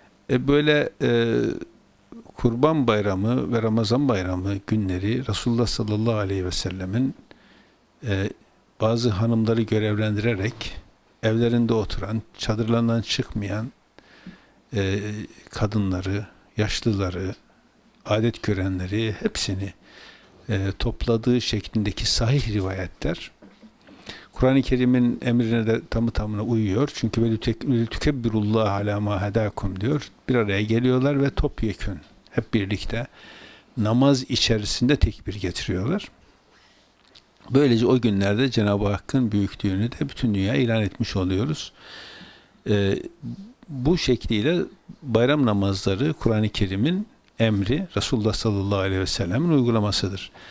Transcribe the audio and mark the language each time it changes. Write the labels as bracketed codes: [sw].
[tr] Böyle Kurban Bayramı ve Ramazan Bayramı günleri Resulullah sallallahu aleyhi ve sellemin bazı hanımları görevlendirerek evlerinde oturan, çadırlarından çıkmayan kadınları, yaşlıları, adet görenleri, hepsini topladığı şeklindeki sahih rivayetler Kur'an-ı Kerim'in emrine de tamı tamına uyuyor. Çünkü [ar] وَلُتُكَبِّرُ اللّٰهَ عَلٰى مَا هَدَاكُمْ [tr] diyor. Bir araya geliyorlar ve topyekun, hep birlikte namaz içerisinde tekbir getiriyorlar. Böylece o günlerde Cenab-ı Hakk'ın büyüklüğünü de bütün dünya ilan etmiş oluyoruz. Bu şekliyle bayram namazları Kur'an-ı Kerim'in emri, Resulullah sallallahu aleyhi ve sellem'in uygulamasıdır.